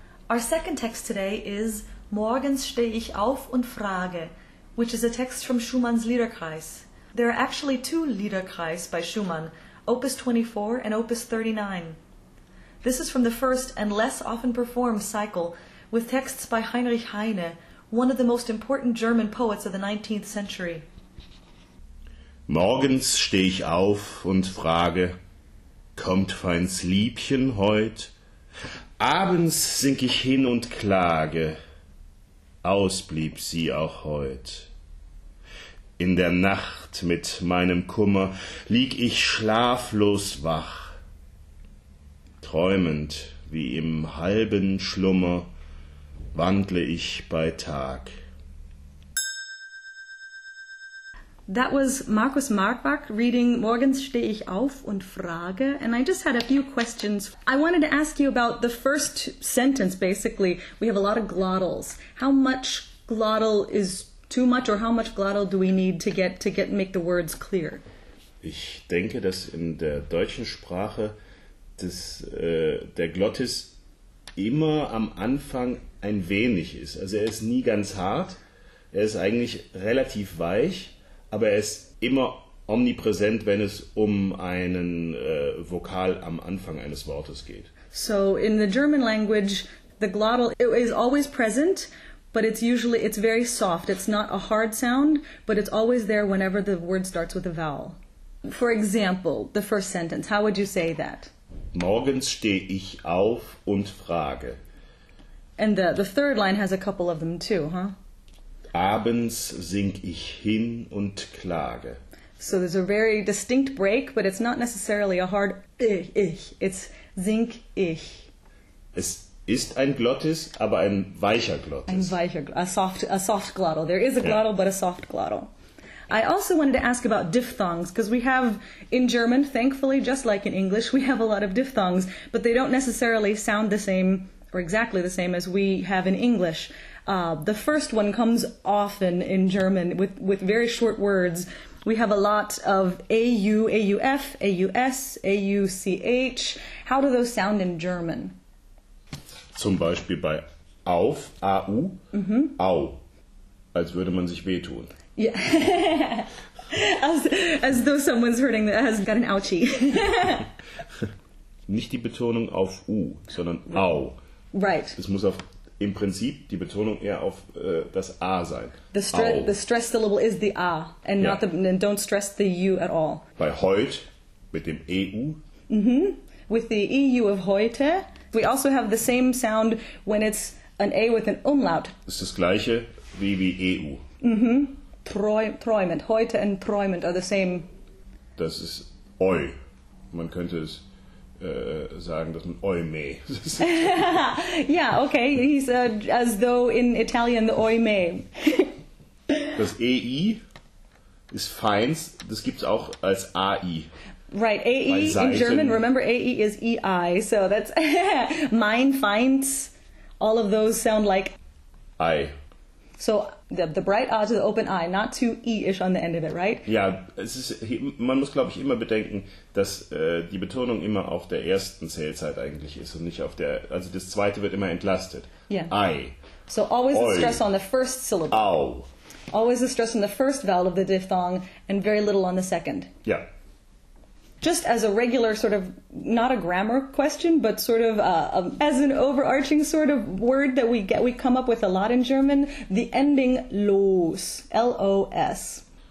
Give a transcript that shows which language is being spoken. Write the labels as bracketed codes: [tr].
[en] Our second text today is [de] Morgens stehe ich auf und frage, [en] which is a text from Schumann's Liederkreis. There are actually two Liederkreis by Schumann, Opus 24 and Opus 39. This is from the first and less often performed cycle, with texts by Heinrich Heine, one of the most important German poets of the 19th century. [de] Morgens stehe ich auf und frage, kommt feins Liebchen heut? Abends sink ich hin und klage, ausblieb sie auch heut. In der Nacht mit meinem Kummer lieg ich schlaflos wach, träumend wie im halben Schlummer wandle ich bei Tag. [en] That was Markus Markbach reading [de] Morgens stehe ich auf und frage, [en] and I just had a few questions. I wanted to ask you about the first sentence, basically. We have a lot of glottals. How much glottal is too much, or how much glottal do we need to make the words clear? [de] Ich denke, dass in der deutschen Sprache der Glottis immer am Anfang ein wenig ist. Also er ist nie ganz hart, er ist eigentlich relativ weich, aber er ist immer omnipräsent, wenn es um einen Vokal am Anfang eines Wortes geht. [en] So in the German language, the glottal is always present, but it's very soft. It's not a hard sound, but it's always there whenever the word starts with a vowel. For example, the first sentence, how would you say that? [de] Morgens stehe ich auf und frage. [en] And the third line has a couple of them too, huh? [de] Abends sink ich hin und klage. [en] So there's a very distinct break, but it's not necessarily a hard ich. It's [de] sink ich. Es ist ein Glottis, aber ein weicher Glottis. Ein weicher, [en] a soft glottal. There is a glottal, but a soft glottal. I also wanted to ask about diphthongs, because we have in German, thankfully, just like in English, we have a lot of diphthongs, but they don't necessarily sound the same or exactly the same as we have in English. The first one comes often in German with very short words. We have a lot of AU, AUF, AUS, AUCH. How do those sound in German? [de] Zum Beispiel bei auf, AU, mm-hmm. Au, als würde man sich wehtun. [en] Yeah. as though someone's hurting, has got an ouchie. [de] Nicht die Betonung auf U, sondern au. [en] Right. [de] Es muss auf im Prinzip die Betonung eher auf das A sein. [en] The stress syllable is the A and not and don't stress the U at all. [de] Bei heut mit dem EU. [en] Mm-hmm. With the EU of heute. We also have the same sound when it's an A with an umlaut. [de] Ist das gleiche wie EU. [en] Mm-hmm. Träumend. Heute and träumend are the same. [de] Das ist eu. Man könnte es sagen, dass man oime. [en] Yeah, okay. He said as though in Italian the oime. [de] Das ei ist feins. Das gibt's auch als ai. [en] Right, ae in German. Remember, ae is ei. So that's mein, feins. All of those sound like ei. So the bright a to the open i, not too e-ish on the end of it, right? [de] Ja, es ist, man muss, glaube ich, immer bedenken, dass die Betonung immer auf der ersten Zählzeit eigentlich ist und nicht auf der, also das zweite wird immer entlastet. [en] Yeah. I. So always the stress on the first syllable. Au. Always the stress on the first vowel of the diphthong and very little on the second. Yeah. Just as a regular sort of, not a grammar question, but sort of as an overarching sort of word that we come up with a lot in German, the ending los, L-O-S.